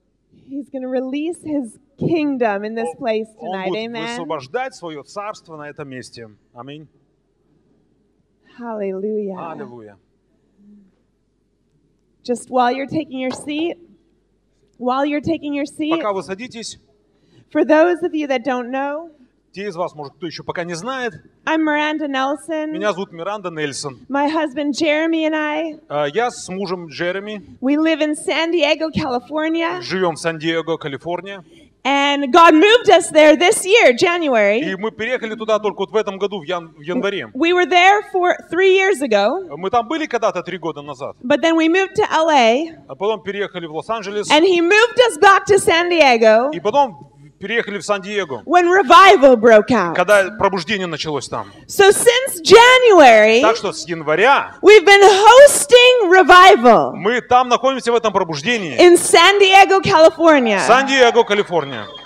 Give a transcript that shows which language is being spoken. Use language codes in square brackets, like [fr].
[en] He's gonna release his kingdom in this place tonight. [ru] Он будет высвобождать свое царство на этом месте. Аминь. [en] Hallelujah. Hallelujah. Just while you're taking your seat, [ru] пока вы садитесь. [en] For those of you that don't know, [ru] те из вас, может, кто еще пока не знает, [en] I'm Miranda Nelson. [ru] Меня зовут Миранда Нельсон. [en] My husband Jeremy and I. [ru] Я с мужем Джереми. [en] We live in San Diego, California. [ru] Живем в Сан-Диего, Калифорния. [en] And God moved us there this year, January. [ru] И мы переехали туда только вот в этом году, в январе. [en] We were there for 3 years ago. [ru] Мы там были когда-то 3 года назад. [en] But then we moved to LA. [ru] А потом переехали в Лос-Анджелес. [en] And he moved us back to San Diego. [ru] И потом переехали в Сан-Диего. [en] When revival broke out. [ru] Когда пробуждение началось там. [en] So since January. [ru] Так что с января. [en] We've been hosting revival. [ru] Мы там находимся в этом пробуждении. [en] In San Diego, California. [ru] Сан-Диего, Калифорния.